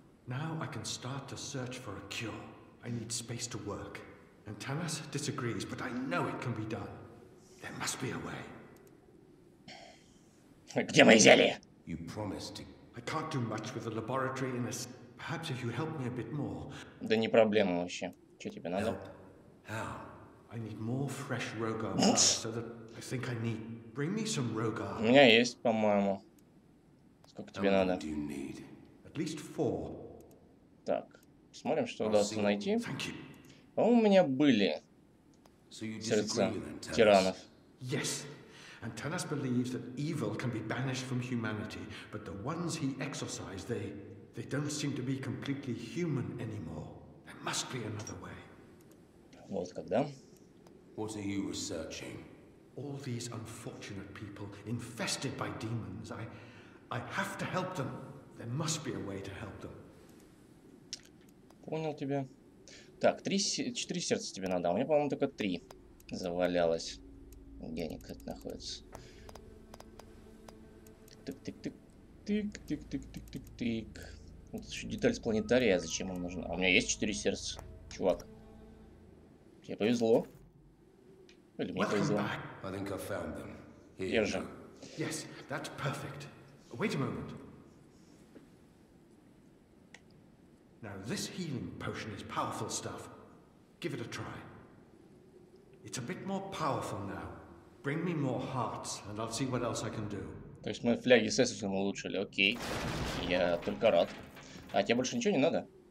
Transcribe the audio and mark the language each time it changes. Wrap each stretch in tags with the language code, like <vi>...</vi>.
<ru>Это чудесно. Теперь я могу начать искать лекарство. Мне нужно время, чтобы работать. Антанас не согласен, но я знаю, что это может быть сделано. Где мои зелья? Ты обещал. Я не могу делать много с лабораторией в этом...</ru> <en>Perhaps if you help me a bit more.</en> <ru>Да не проблема вообще. Что тебе надо?</ru> <en>How? I need more fresh Rogar blood, so that I think I need. Bring me some Rogar.</en> <ru>У меня есть, по-моему. Сколько тебе надо?</ru> <en>Do you need? At least four.</en> <ru>Так, посмотрим, что удастся найти. По-моему, у меня были сердца тиранов.</ru> <en>Yes. Antanas believes that evil can be banished from humanity, but the ones he exorcised, they... They don't seem to be completely human anymore. must be another way.</en> <ru>Вот когда?</ru> <en>What are you researching? All these unfortunate people infested by demons. I have to help them. There must be a way to help them.</en> <ru>Понял тебя. Так, 4 сердца тебе надо. У меня, по-моему, только 3 завалялось. Где они как-то находятся? Тык-тык-тык-тык-тык-тык-тык-тык-тык-тык. Вот еще деталь с планетария. Зачем он нужен? А у меня есть 4 сердца, чувак. Тебе повезло. Или мне повезло. Держим.</ru> <en>Yes, that's perfect. Wait a moment. Now this healing potion is powerful stuff. Give it a try. It's a bit more powerful now. Bring me more hearts, and I'll see what else I can do.</en> <ru>То есть мы фляги с эссенсом улучшили, окей. Я только рад. А тебе больше ничего не надо?</ru>